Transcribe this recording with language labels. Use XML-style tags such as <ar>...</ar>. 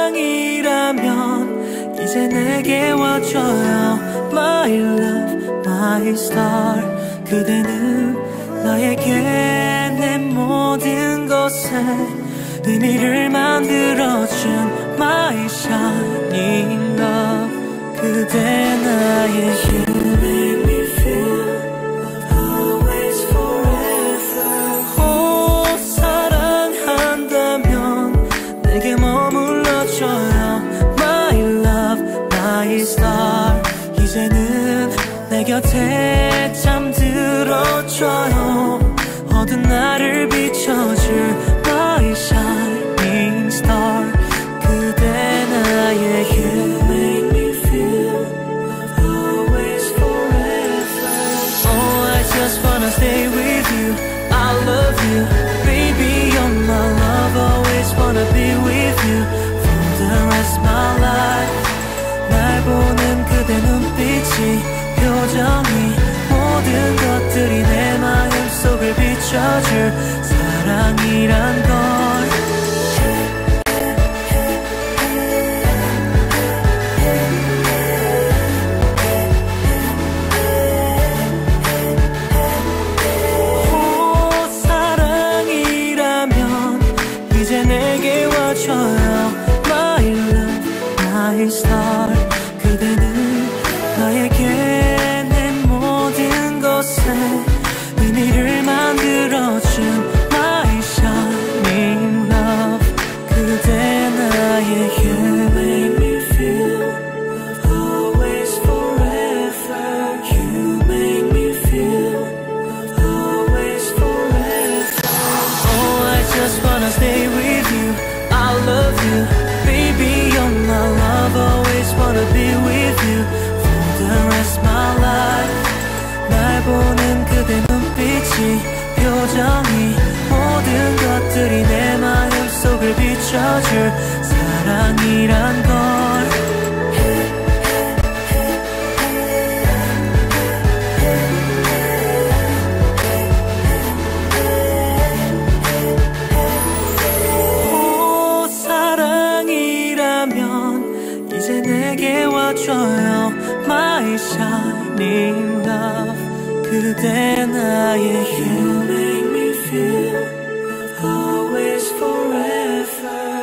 <ko>사랑이라면 이제 내게 와줘요.</ko> <en>My love, my star.</en> <ko>그대는 나에게 내 모든 것에 의미를 만들어준</ko> <en>My shining love.</en> <ko>그대 나의</ko> <en>You make me feel always forever.</en> <ko>오, 사랑한다면 내게 머물러줘요.</ko> <en>My love, my star.</en> <ko>이제는 내 곁에 잠들어줘요. 어두운 나를 비춰줄</ko> <en>My shining star.</en> <ko>그대 나의</ko> <en>You make me feel always forever. Oh, I just wanna stay with you. I love you. Baby, you're my love. Always wanna be with you for the rest of my life.</en> <ko>날 보는 그대 눈빛이 표정이 모든 것들이 내 마음속을 비춰줄 사랑이란 걸. 오, 사랑이라면 이제 내게 와줘요.</ko> <en>My love, my star.</en> <ko>그대는 나에게 내 모든 것에 의미를 만들어준</ko> <en>My shining love.</en> <ko>그대 나의</ko> <en>You make me feel always forever. You make me feel always forever. Oh, I just wanna stay with you. I love you. Baby, you're my love. Always wanna be with you for the rest of my life.</en> <ko>날 보는 그대 눈빛이 표정이 모든 것들이 내 마음속을 비춰줄 사랑이란 걸. 오, 사랑이라면 이제 내게 와줘요.</ko> <en>My shining love.</en> <ko>그대 나의</ko> <en>You make me feel always forever.</en>